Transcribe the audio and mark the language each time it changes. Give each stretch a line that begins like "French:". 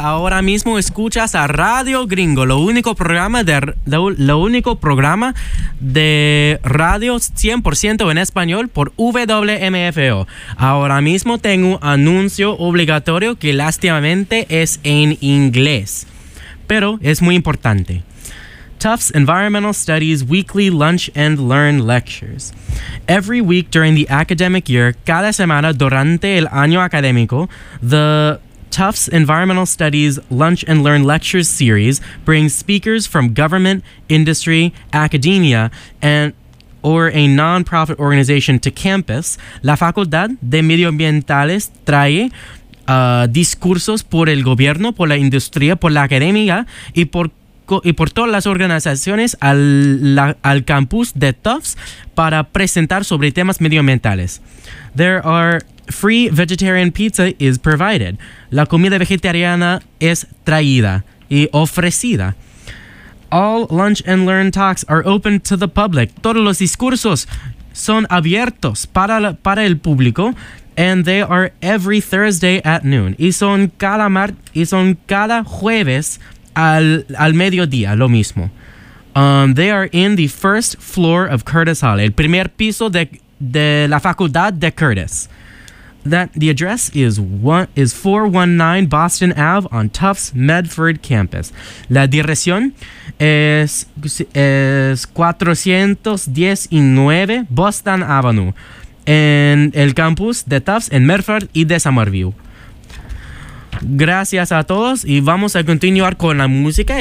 Spanish: Ahora mismo escuchas a Radio Gringo, lo único programa de radio 100% en español por WMFO. Ahora mismo tengo un anuncio obligatorio que lástimamente es en inglés, pero es muy importante.
English: Tufts Environmental Studies Weekly Lunch and Learn Lectures. Every week during the academic year,
Spanish: cada semana durante el año académico,
English: the Tufts Environmental Studies Lunch and Learn Lectures series brings speakers from government, industry, academia, and or a non-profit organization to campus.
Spanish: La Facultad de Medioambientales trae discursos por el gobierno, por la industria, por la academia y por todas las organizaciones al campus de Tufts para presentar sobre temas medioambientales.
English: There are free vegetarian pizza is provided.
Spanish: La comida vegetariana es traída y ofrecida.
English: All lunch and learn talks are open to the public.
Spanish: Todos los discursos son abiertos para el público,
English: and they are every Thursday at noon.
Spanish: Y son cada jueves al mediodía, lo mismo.
English: They are in the first floor of Curtis Hall,
Spanish: el primer piso de la Facultad de Curtis.
English: That the address is 419 Boston Ave on Tufts Medford campus.
Spanish: La dirección es 419 Boston Avenue en el campus de Tufts en Medford y de Somerville. Gracias a todos y vamos a continuar con la música.